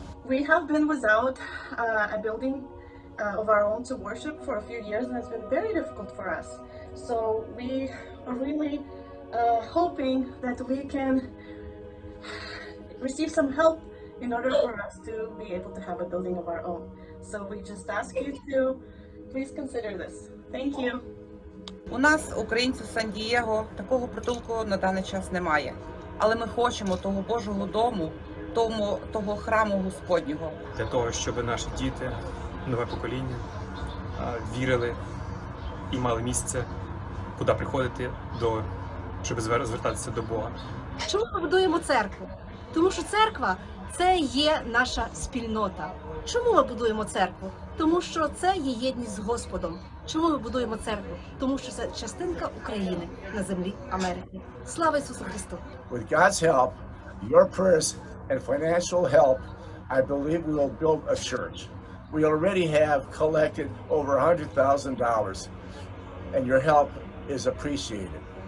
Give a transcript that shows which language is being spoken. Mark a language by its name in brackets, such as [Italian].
[English] We have been without a building of our own to worship for a few years, and it's been very difficult for us. So we are really hoping that we can receive some help in order for us to be able to have a building of our own. So we just ask you to please consider this. Thank you. [Ukrainian] У нас, українців Сан-Дієго, такого притулку на даний час немає. Але ми хочемо того Божого дому, того храму Господнього. Для того, щоб наші діти, нове покоління, вірили і мали місце, куди приходити, щоб звертатися до Бога. Чому ми будуємо церкву? Тому що церква – це є наша спільнота. Чому ми будуємо церкву? Тому що це є єдність з Господом. Чому ми будуємо церкву? Тому що це частинка України на землі Америки. Слава Ісусу Христу! [English] With God's help, your prayers and financial help, I believe we will build a church. We already have collected over $100,000 and your help is appreciated.